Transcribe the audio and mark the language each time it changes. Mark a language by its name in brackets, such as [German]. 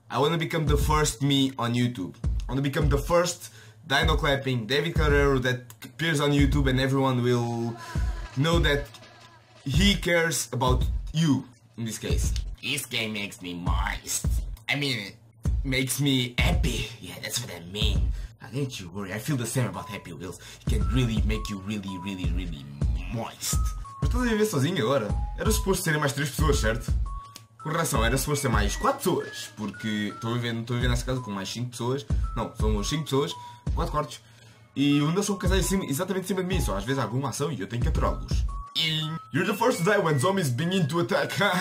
[English] I want to become the first me on YouTube. I want to become the first Dino Clapping David Carrero that appears on YouTube, and everyone will know that he cares about you in this case. This game makes me moist. I mean, it makes me happy. Yeah, that's what I mean. I don't you worry, I feel the same about Happy Wheels. It can really make you really, really, really moist. [Portuguese] Mas estás a viver sozinho agora? Era suposto serem mais 3 pessoas, certo? Correção, era suposto ser mais 4 pessoas, porque estou a viver nessa casa com mais 5 pessoas. Não, são 5 pessoas, 4 quartos. E um deles são casais exatamente em cima de mim, só às vezes há alguma ação e eu tenho que aturá-los. E... [English] You're the first to die when zombies begin to attack.